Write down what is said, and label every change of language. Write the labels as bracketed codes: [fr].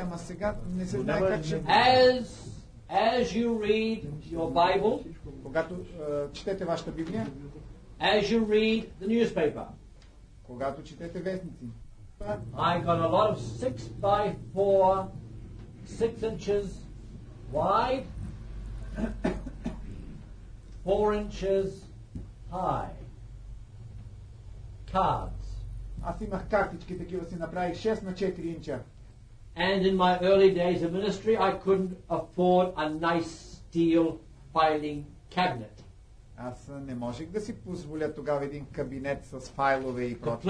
[bg] ама сега не се знае как ще... [en] As you read your Bible, [bg] когато четете вашата Библия, [en] as you read the newspaper. [bg] Когато четете вестници. [en] I got a lot of 6x4, 6 inches wide, 4 inches high. cards. [bg] Аз имах картички такива, си направих 6 на 4 инча. [en] And in my early days of ministry, I couldn't afford a nice steel filing cabinet. [bg] Аз не можех да си позволя тогава един кабинет с файлове и прочее.